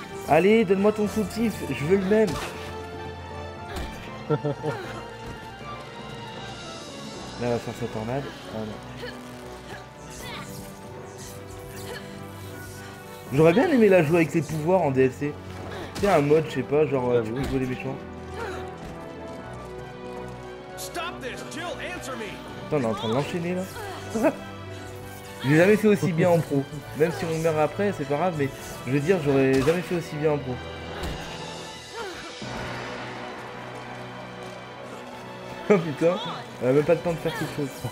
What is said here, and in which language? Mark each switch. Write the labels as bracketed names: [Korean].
[French] Allez, donne-moi ton soutif, je veux le même. Là, elle va faire sa tornade. Ah non. J'aurais bien aimé la jouer avec ses pouvoirs en DLC. C'est un mode, je sais pas, genre tu peux jouer les méchants. [English] Stop this, Jill, answer me. [French] Attends, on est en train de l'enchaîner là. J'ai jamais fait aussi bien en pro. Même si on meurt après, c'est pas grave, mais je veux dire, j'aurais jamais fait aussi bien en pro. Oh putain, elle a même pas le temps de faire quelque chose.